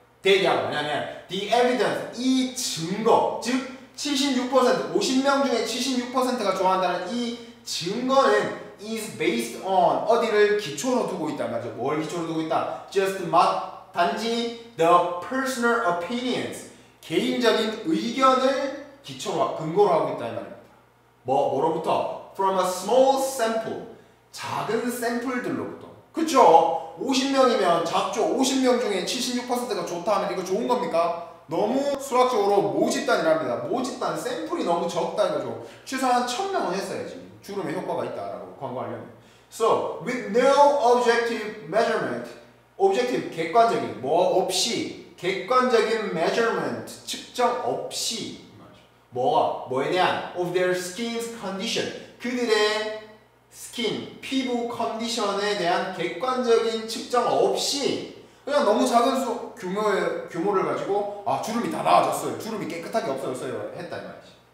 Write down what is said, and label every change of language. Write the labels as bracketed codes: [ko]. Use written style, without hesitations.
[ko] that이야 뭐냐면 [en] the evidence [ko] 이 증거 즉 76% 50명 중에 76%가 좋아한다는 이 증거는 [en] is based on [ko] 어디를 기초로 두고 있다 말이죠. 뭘 기초로 두고 있다? [en] Just [ko] 막 단지 [en] the personal opinions [ko] 개인적인 의견을 기초로 근거로 하고 있다 이 말입니다. 뭐 뭐로부터? [en] From a small sample [ko] 작은 샘플들로부터. 그렇죠. 50명이면 작죠. 50명 중에 76%가 좋다 하면 이거 좋은 겁니까? 너무 수학적으로 모집단이랍니다. 모집단 샘플이 너무 적다 이거죠. 최소한 1000명은 했어야지 주름의 효과가 있다라고 광고하려면. [en] So with no objective measurement, objective [ko] 객관적인 뭐 없이 객관적인 [en] measurement [ko] 측정 없이 뭐가 뭐에 대한 [en] of their skin's condition [ko] 그들의 [en] skin [ko] 피부 컨디션에 대한 객관적인 측정 없이 그냥 너무 작은 수 규모를 가지고 아 주름이 다 나아졌어요 주름이 깨끗하게 없어졌어요 했다 이 말이지.